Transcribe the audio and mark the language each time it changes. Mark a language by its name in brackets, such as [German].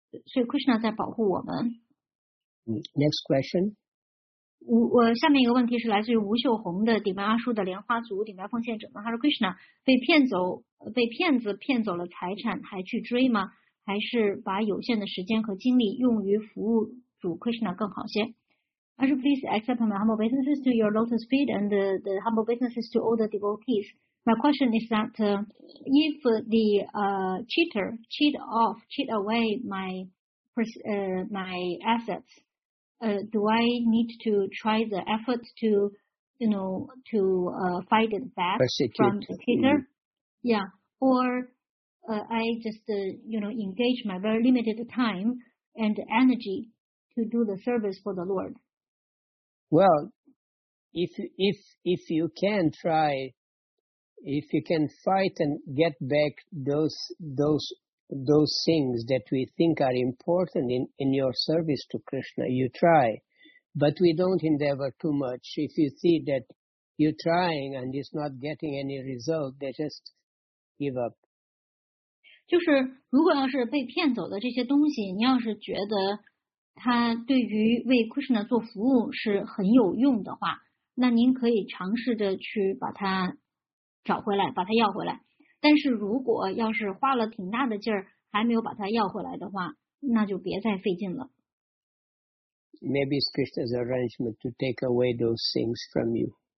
[Chinese] 所以 Krishna 在保护我们。 [English] Next question. [Chinese] 我下面一个问题是来自于吴秀红的顶白阿叔的莲花族顶白奉献者，他说 Krishna 被骗子骗走了财产，还去追吗？还是把有限的时间和精力用于服务主 Krishna 更好些。 [English] Ashu, please accept my humble businesses to your lotus feet and the humble businesses to all the devotees. My question is that if the cheater cheat away my assets, do I need to try the effort to, you know, to fight it back from the cheater? Mm. Yeah, or I just you know, engage my very limited time and energy to do the service for the Lord. Well, if you can try, if you can fight and get back those things that we think are important in your service to Krishna, you try. But we don't endeavor too much. If you see that you're trying and it's not getting any result, they just give up. [Chinese] 就是如果要是被骗走的这些东西，你要是觉得它对于为 Krishna 做服务是很有用的话，那您可以尝试着去把它找回来，把它要回来。但是如果要是花了挺大的劲儿还没有把它要回来的话，那就别再费劲了。 [English] Maybe it's Krishna's arrangement to take away those things from you.